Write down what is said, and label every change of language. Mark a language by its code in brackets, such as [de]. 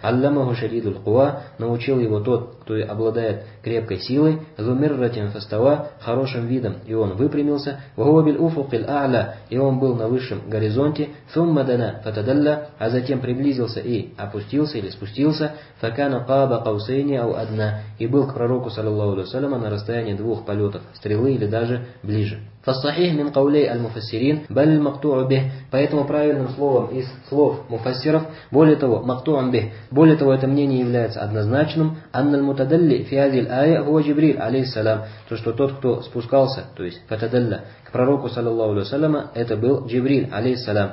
[ar] Аллямаху шадидуль куа, [ru] научил его тот, кто обладает крепкой силой, [ar] зумирратин фастава, [ru] хорошим видом, и он выпрямился, [ar] вахуа биль уфуқиль а'ля, [ru] и он был на высшем горизонте, [ar] сумма дана фатадалля, [ru] а затем приблизился и опустился или спустился, [ar] факана каба каусейни ау адна, [ru] и был к пророку, саллиллаху алейхи ва саллям, на расстоянии двух полетов, стрелы или даже ближе. [ar] فالصحيح من قولي المفسرين بل المقطوع به. [ru] Поэтому правильным словом из слов муфассиров, более того, [ar] мактуан бих, [ru] более того, это мнение является однозначным, [ar] ан аль-мутадалли фи хази аль-ая хуа Джибриль алейхи салям, [ru] то что тот, кто спускался, то есть фатадалла к пророку, саллиллаху алейхи ва саллям, это был Джибриль алейхи салям.